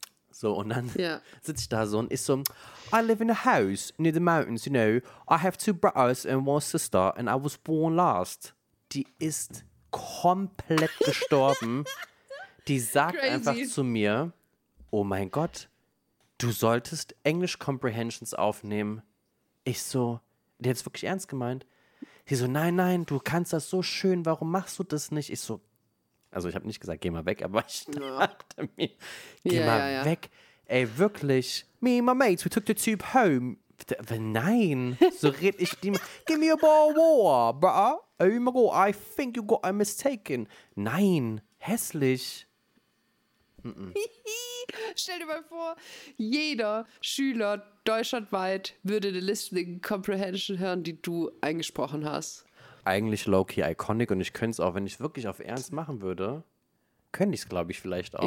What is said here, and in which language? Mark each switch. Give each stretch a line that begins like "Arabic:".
German: So, und dann sitze ich da so und ist so,
English: I live in a house near the mountains, you know. I have two brothers and one sister and I was born last.
German: Die ist komplett gestorben. Die sagt Crazy. Einfach zu mir, oh mein Gott, du solltest English Comprehensions aufnehmen. Ich so, die hat es wirklich ernst gemeint. Sie so, nein, nein, du kannst das so schön, warum machst du das nicht? Ich so, also ich habe nicht gesagt, geh mal weg, aber ich dachte mir, geh mal weg. Ey, wirklich,
English: me and my mates, we took the tube home.
German: Nein, so red ich die mal.
English: Give me a ball of water, brother. Oh my god, I think you got a mistaken.
German: Nein, hässlich. Stell dir mal vor, jeder Schüler deutschlandweit würde eine Listening Comprehension hören, die du eingesprochen hast. Eigentlich low-key iconic und ich könnte es auch, wenn ich es wirklich auf ernst machen würde, könnte ich es, glaube ich, vielleicht auch.